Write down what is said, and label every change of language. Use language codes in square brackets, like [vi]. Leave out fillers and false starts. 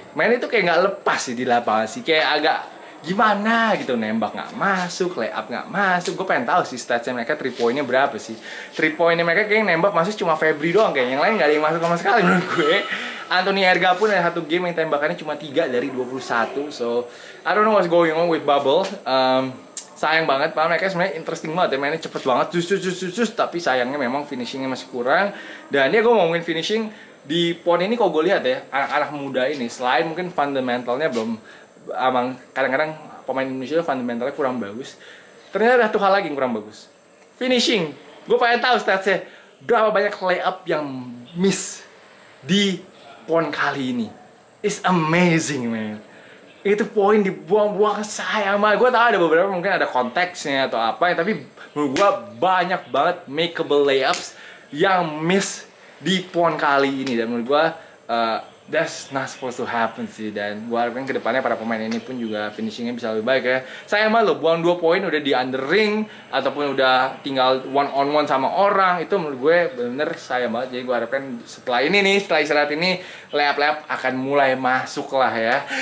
[id] Main itu kayak gak lepas sih di lapangan sih, kayak agak gimana gitu, nembak gak masuk, layup gak masuk. Gue pengen tahu sih statsnya mereka, 3 pointnya berapa sih. 3 pointnya mereka kayak nembak masuk cuma Febri doang, kayak yang lain gak ada yang masuk sama sekali menurut gue. Anthony Erga pun ada satu game yang tembakannya cuma 3 dari 21. [en] So, I don't know what's going on with Bubble. [id] Sayang banget, padahal mereka sebenarnya interesting banget ya, mainnya cepet banget, cus, tapi sayangnya memang finishingnya masih kurang. Dan ya gue ngomongin finishing, di pon ini kok gue lihat ya, anak-anak muda ini, selain mungkin fundamentalnya belum, emang kadang-kadang pemain Indonesia fundamentalnya kurang bagus, ternyata ada satu hal lagi yang kurang bagus, finishing. Gue pengen tahu statsnya, berapa banyak layup yang miss di pon kali ini. [en] It's amazing, man. [id] Itu poin dibuang-buang, sayang banget. Gue tahu ada beberapa mungkin ada konteksnya atau apa, tapi menurut gue banyak banget makeable layups yang miss di pon kali ini. Dan menurut gue, [en] that's not supposed to happen sih. [id] Dan gue harapin kedepannya para pemain ini pun juga finishingnya bisa lebih baik ya. Sayang banget lo, buang 2 poin udah di under ring, ataupun udah tinggal [en] one on one [id] sama orang. Itu menurut gue bener-bener sayang banget. Jadi gue harapin setelah ini nih, setelah istirahat ini, layup-layup akan mulai masuk lah ya.